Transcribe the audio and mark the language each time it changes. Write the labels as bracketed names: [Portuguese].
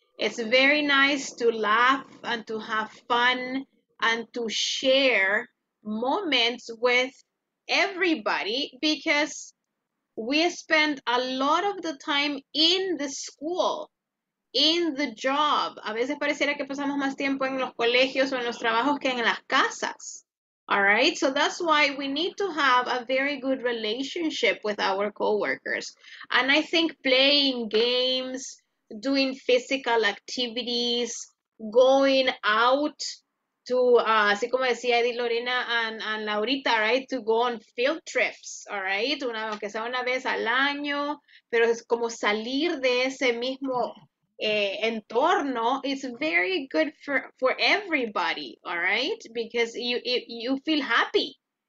[English] It's very nice to laugh and to have fun and to share moments with everybody, because we spend a lot of the time in the school, in the job. [Spanish] A veces pareciera que pasamos más tiempo en los colegios o en los trabajos que en las casas. [English] All right, so that's why we need to have a very good relationship with our coworkers. And I think playing games, doing physical activities, going out to, [Spanish] así como decía Eddie, [English] Lorena and Laurita, right, to go on field trips, all right, [Spanish] una, aunque sea una vez al año, pero es como salir de ese mismo entorno, [English] it's very good for everybody, all right, because you feel happy,